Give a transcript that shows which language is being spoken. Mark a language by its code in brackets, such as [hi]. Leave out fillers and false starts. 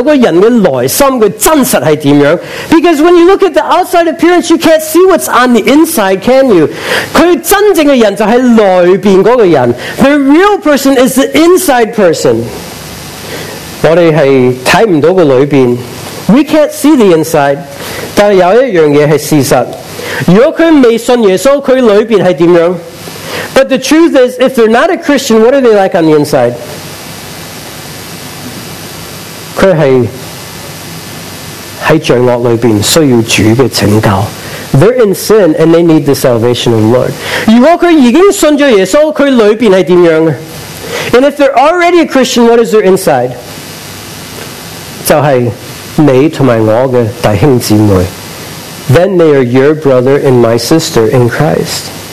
[zh] 因为我们看外表,我们看不到人的内心,真实是怎样. [en] Because when you look at the outside appearance, you can't see what's on the inside, can you? [zh] 他真正的人就是内边那个人. [en] The real person is the inside person. [zh] 我们是看不到的里边. [en] We can't see the inside. [zh] 但有一样东西是事实. 如果他未信耶稣,他里边是怎样? [en] But the truth is, if they're not a Christian, what are they like on the inside? [zh] 他是在罪恶里面需要主的拯救. [en] They're in sin and they need the salvation of the Lord. [zh] 如果他已经信了耶稣,他里面是怎样? [en] And if they're already a Christian, what is their inside? [zh] 就是你和我的弟兄姊妹. [en] Then they are your brother and my sister in Christ.